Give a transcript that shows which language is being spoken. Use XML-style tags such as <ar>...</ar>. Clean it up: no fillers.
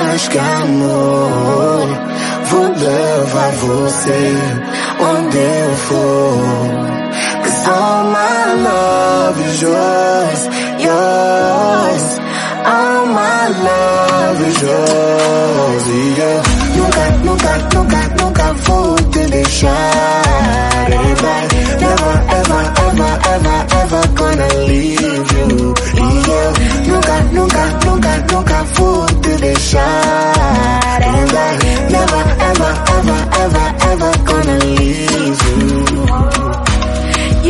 <pt>Que amor, vou levar você onde eu for.</pt> <en>Cause all my love is yours, yours. All my love is yours, yeah.</en> <pt>Nunca, nunca, nunca, nunca vou te deixar.</pt> <en>Never, ever, ever, ever, ever gonna leave you.</en> <pt>Nunca, nunca, nunca, nunca vou te deixar.</pt> <en>And I never, ever, ever, ever, ever gonna leave you.</en>